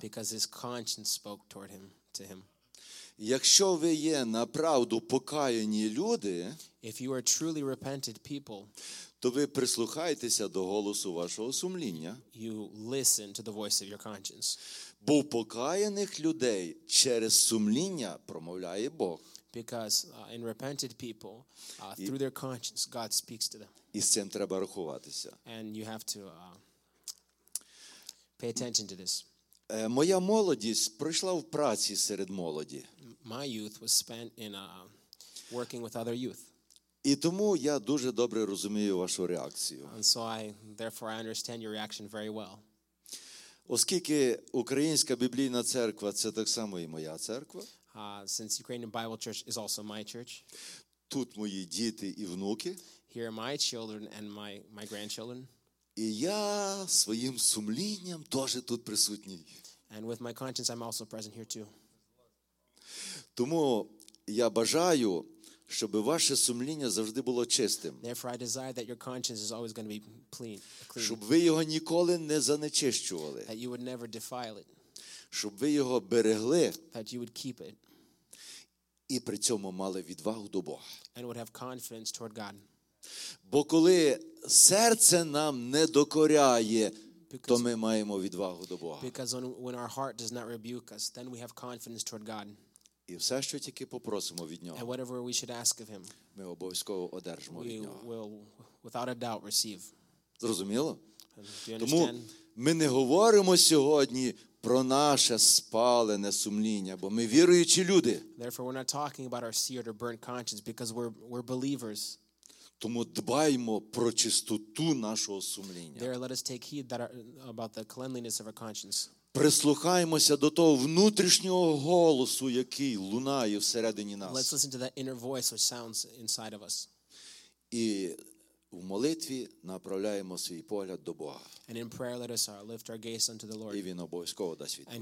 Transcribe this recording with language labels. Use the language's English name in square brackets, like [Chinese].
[English] Because his conscience spoke toward him, to him. [Ukrainian] Якщо ви є направду покаяні люди, [English] if you are truly repented people, [Ukrainian] то ви прислухаєтеся до голосу вашого сумління. [English] You listen to the voice of your conscience. [Ukrainian] Бо покаяних людей через сумління промовляє Бог. [English] Because in repented people, through their conscience, God speaks to them. [Ukrainian] І з цим треба рахуватися. [English] And you have to pay attention to this. [Ukrainian] Моя молодість пройшла в праці серед молоді. [English] My youth was spent in working with other youth. [Ukrainian] І тому я дуже добре розумію вашу реакцію. [English] And so I, therefore, I understand your reaction very well. [Ukrainian] Оскільки Українська біблійна церква – це так само і моя церква. [English] Since Ukrainian Bible Church is also my church. [Ukrainian] Тут мої діти і внуки. [English] Here are my children and my grandchildren. [Ukrainian] І я своїм сумлінням теж тут присутній. [English] And with my conscience, I'm also present here too. [Ukrainian] Тому я бажаю, щоб ваше сумління завжди було чистим. [English] Therefore, I desire that your conscience is always going to be clean. [Ukrainian] Щоб ви його ніколи не занечищували. [English] That you would never defile it. [Ukrainian] Щоб ви його берегли. [English] That you would keep it. [Ukrainian] І при цьому мали відвагу до Бога. [English] And would have confidence toward God. [Ukrainian] Бо коли серце нам не докоряє, то ми маємо відвагу до Бога. [English] Because when our heart does not rebuke us, then we have confidence toward God. [Ukrainian] І все, що тільки попросимо від нього, [English] and whatever we should ask of him, [Ukrainian] ми обов'язково одержимо від нього. [English] We will, without a doubt, receive. [Ukrainian] Зрозуміло? [English] Do you understand? [Ukrainian] Тому ми не говоримо сьогодні про наше спалене сумління, бо ми віруючі люди. [English] Therefore, we're not talking about our seared or burnt conscience because we're believers. [Ukrainian] Тому дбаймо про чистоту нашого сумління. [English] There, let us take heed that about the cleanliness of our conscience. [Ukrainian] Прислухаємося до того внутрішнього голосу, який лунає всередині нас. [English] Let's listen to that inner voice which sounds inside of us. [Ukrainian] І в молитві направляємо свій погляд до Бога. [English] And in prayer, let us lift our gaze unto the Lord. [Ukrainian] І він обов'язково дасть відповідь.